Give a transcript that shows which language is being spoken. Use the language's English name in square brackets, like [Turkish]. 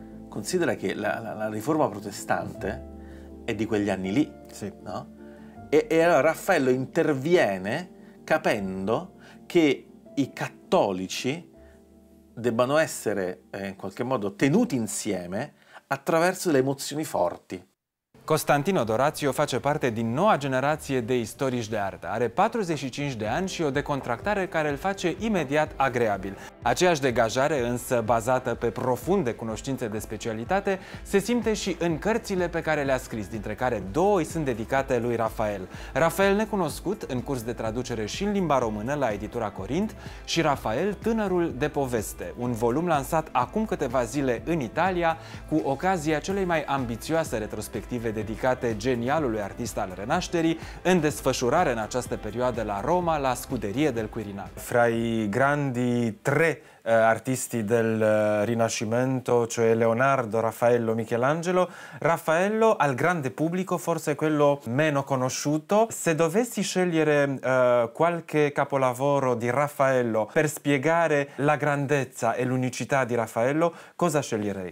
[Italian] Considera che la riforma protestante è di quegli anni lì, sì, no? E allora Raffaello interviene capendo che i cattolici debbano essere in qualche modo tenuti insieme attraverso le emozioni forti. [Romanian] Costantino Dorazio face parte din noua generație de istorici de artă. Are 45 de ani și o decontractare care îl face imediat agreabil. Aceeași degajare, însă bazată pe profunde cunoștințe de specialitate, se simte și în cărțile pe care le-a scris, dintre care două îi sunt dedicate lui Raffael. Raffael Necunoscut, în curs de traducere și în limba română la editura Corint, și Raffael Tânărul de Poveste, un volum lansat acum câteva zile în Italia, cu ocazia celei mai ambițioase retrospective dedicate genialului artist al Renașterii, în desfășurare în această perioadă la Roma, la Scuderie del Quirinal. [Italian] Fra i grandi tre artisti del Rinascimento, cioè Leonardo, Raffaello, Michelangelo, Raffaello al grande pubblico forse è quello meno conosciuto. Se dovessi scegliere qualche capolavoro di Raffaello per spiegare la grandezza e l'unicità di Raffaello, cosa sceglierei?